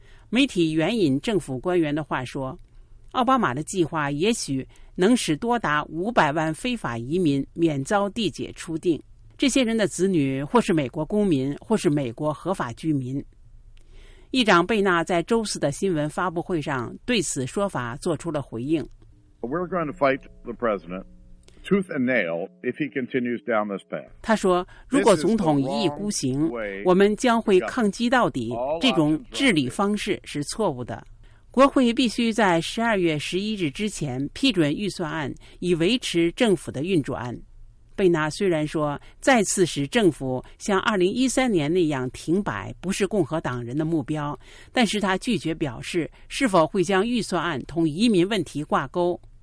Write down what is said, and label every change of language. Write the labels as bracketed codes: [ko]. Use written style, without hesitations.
[zh] 媒体援引政府官员的话说，奥巴马的计划也许能使多达500万非法移民免遭递解出境，这些人的子女或是美国公民或是美国合法居民。议长贝纳在周四的新闻发布会上对此说法做出了回应。 [en] We're going to fight the president tooth and nail if he continues down this path. [zh] 他说，如果总统一意孤行，我们将会抗击到底，这种治理方式是错误的。国会必须在12月11日之前批准预算案，以维持政府的运转。贝纳虽然说，再次使政府像2013年那样停摆不是共和党人的目标，但是他拒绝表示是否会将预算案同移民问题挂钩。